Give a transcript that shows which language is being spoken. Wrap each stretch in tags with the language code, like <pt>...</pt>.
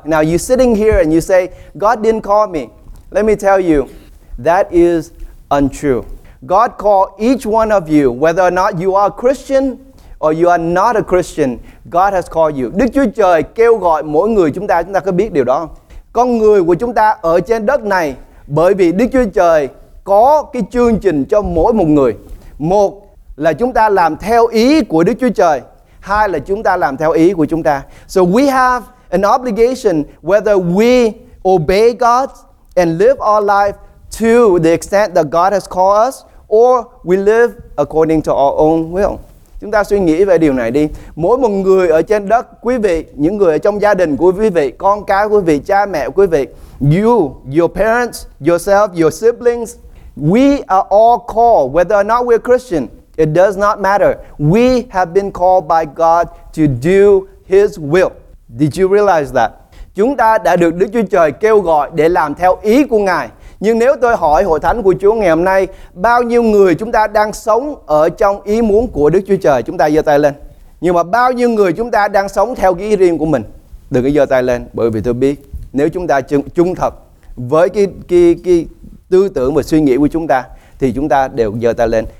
<en>Now you're sitting here and you say, God didn't call me. Let me tell you, that is untrue. God called each one of you, whether or not you are a Christian or you are not a Christian, God has called you.</en> <vi>Đức Chúa Trời kêu gọi mỗi người chúng ta có biết điều đó. Con người của chúng ta ở trên đất này, bởi vì Đức Chúa Trời có cái chương trình cho mỗi một người. Một là chúng ta làm theo ý của Đức Chúa Trời. Hai là chúng ta làm theo ý của chúng ta.</vi> <en>So we have an obligation whether we obey God and live our life to the extent that God has called us or we live according to our own will.</en> <vi>Chúng ta suy nghĩ về điều này đi. Mỗi một người ở trên đất, quý vị, những người ở trong gia đình của quý vị, con cái quý vị, cha mẹ quý vị,</vi> <en>you, your parents, yourself, your siblings, we are all called, whether or not we're Christian, it does not matter. We have been called by God to do His will. Did you realize that?</en> <vi>Chúng ta đã được Đức Chúa Trời kêu gọi để làm theo ý của Ngài. Nhưng nếu tôi hỏi hội thánh của Chúa ngày hôm nay, bao nhiêu người chúng ta đang sống ở trong ý muốn của Đức Chúa Trời, chúng ta giơ tay lên. Nhưng mà bao nhiêu người chúng ta đang sống theo ý riêng của mình, đừng có giơ tay lên, bởi vì tôi biết nếu chúng ta trung thật với cái tư tưởng và suy nghĩ của chúng ta, thì chúng ta đều giơ tay lên.</vi>